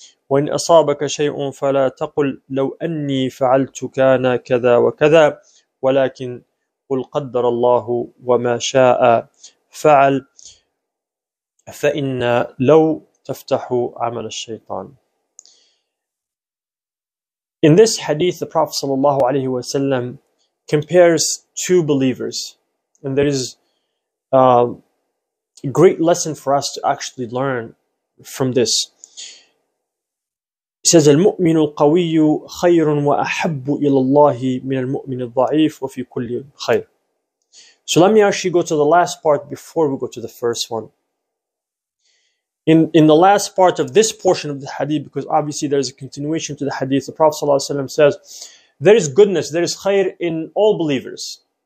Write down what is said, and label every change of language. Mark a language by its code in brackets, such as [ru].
[ar] وإن أصابك شيء فلا تقل لو أني فعلت كان كذا وكذا ولكن قل قدر الله وما شاء فعل فإن لو تفتح عمل الشيطان. [en] In this hadith, the Prophet sallallahu alaihi wasallam compares two believers, and there is a great lesson for us to actually learn from this. He says, [ar] المؤمن القوي خير وأحب إلى الله من المؤمن الضعيف وفي كل خير. [en] So let me actually go to the last part before we go to the first one. In the last part of this portion of the hadith, because obviously there is a continuation to the hadith, the Prophet sallallahu alaihi wasallam says, there is goodness, there is khair in all believers.